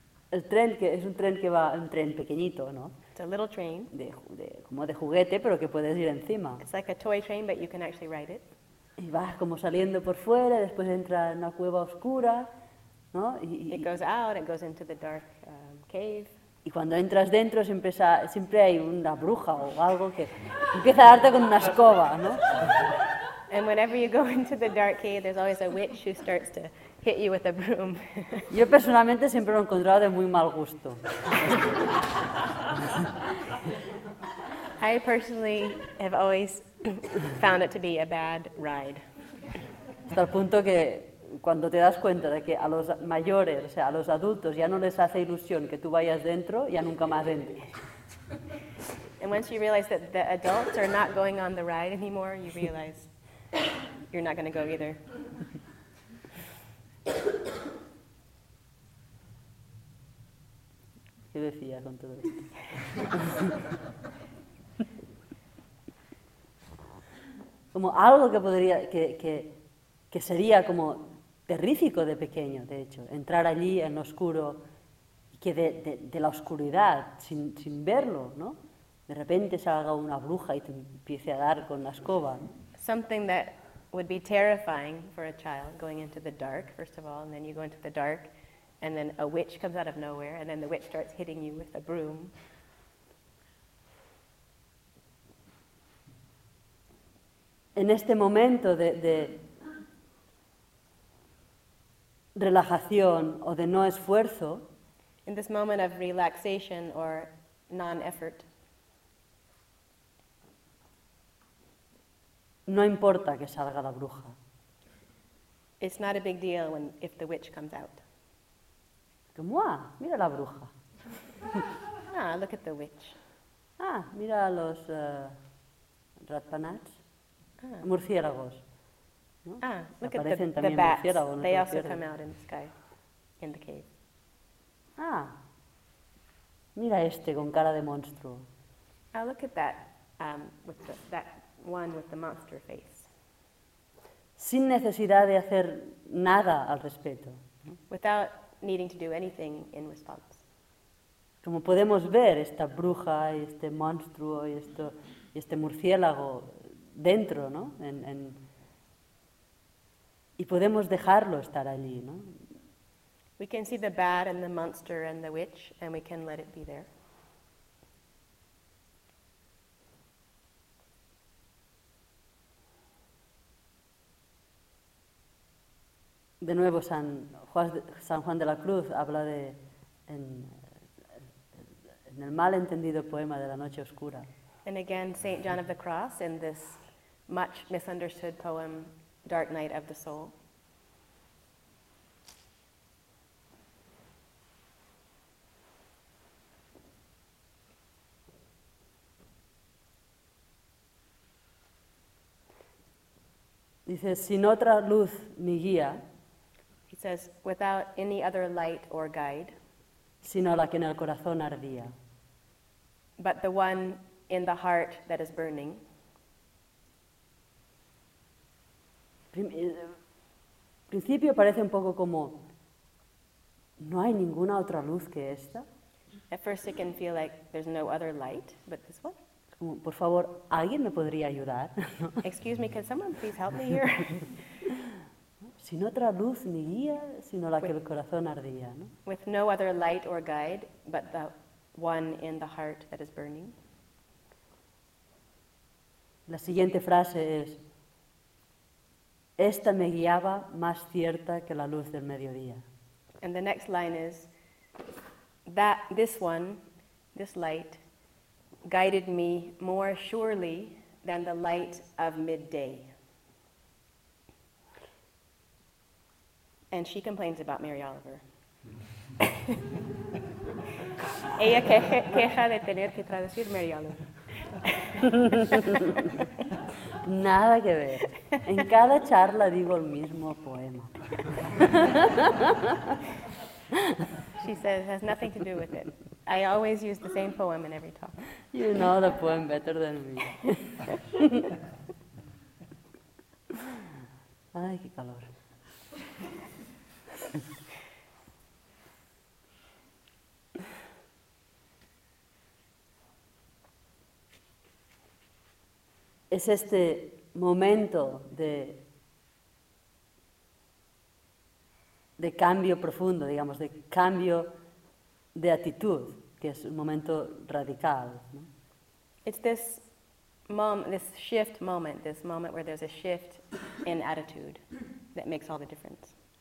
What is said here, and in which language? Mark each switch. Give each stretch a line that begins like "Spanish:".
Spanish: El tren, que es un tren que va, un tren pequeñito, ¿no?
English: It's a little train.
Spanish: De, como de juguete, pero que puedes ir encima.
English: It's like a toy train, but you can actually ride it.
Spanish: Y va como saliendo por fuera, después entra en una cueva oscura, ¿no?
English: It goes out, it goes into the dark cave.
Spanish: Y cuando entras dentro siempre hay una bruja o algo que empieza a darte con una escoba, ¿no?
English: And whenever you go into the dark cave, there's always a witch who starts to hit you with a broom.
Spanish: Yo personalmente siempre lo he encontrado de muy mal gusto.
English: I personally have always found it to be a bad ride.
Spanish: Hasta el punto que cuando te das cuenta de que a los mayores, o sea, a los adultos, ya no les hace ilusión que tú vayas dentro, ya nunca más entres.
English: And once you realize that the adults are not going on the ride anymore, you realize you're not going to go either.
Spanish: ¿Qué decía con todo esto? Como algo que podría, que sería como terrífico de pequeño, de hecho, entrar allí en lo oscuro, que de la oscuridad, sin verlo, ¿no? De repente salga una bruja y te empiece a dar con la escoba.
English: Something that would be terrifying for a child, going into the dark, first of all, and then you go into the dark, and then a witch comes out of nowhere, and then the witch starts hitting you with a broom.
Spanish: En este momento de relajación o de no esfuerzo,
English: in this moment of relaxation or non-effort,
Spanish: no importa que salga la bruja.
English: It's not a big deal when if the witch comes out.
Spanish: Como, ¡ah, mira la bruja!
English: Ah, look at the witch.
Spanish: Ah, mira los ratpanats. Ah. Murciélagos.
English: Ah, look at the bats. They also come out in the sky, in the cave.
Spanish: Ah, mira este con cara de monstruo.
English: Ah, look at that, with the, that one with the monster face.
Spanish: Sin necesidad de hacer nada al respecto.
English: Without needing to do anything in response.
Spanish: Como podemos ver, esta bruja y este monstruo y esto y este murciélago dentro, ¿no? Y podemos dejarlo estar allí, ¿no?
English: We can see the bat and the monster and the witch, and we can let it be there.
Spanish: De nuevo, San Juan de la Cruz habla de, en el mal entendido poema de la noche oscura.
English: And again, St. John of the Cross, in this much misunderstood poem, Dark Night of the Soul.
Spanish: Dice, sin otra luz ni guía,
English: it says, without any other light or guide,
Spanish: sino la que en el corazón ardía,
English: but the one in the heart that is burning.
Spanish: Principio parece un poco como, no hay ninguna otra luz que esta.
English: At first it can feel like there's no other light but this one.
Spanish: Como, por favor, ¿alguien me podría ayudar?
English: Excuse me, can someone please help me here?
Spanish: Sin otra luz ni guía, sino la que el corazón ardía, ¿no?
English: With no other light or guide, but the one in the heart that is burning.
Spanish: La siguiente frase es, esta me guiaba más cierta que la luz del mediodía.
English: And the next line is, that this one, this light, guided me more surely than the light of midday. And she complains about Mary Oliver.
Spanish: Ella queja de tener que traducir Mary Oliver. Nada que ver. En cada charla digo el mismo poema.
English: She says it has nothing to do with it. I always use the same poem in every talk. You know the poem better than me.
Spanish: Ay, qué calor. Es este momento de cambio profundo, digamos, de cambio de actitud, que es un momento radical, ¿no?
English: It's this moment, this shift moment, this moment where there's a shift in attitude that makes all the difference.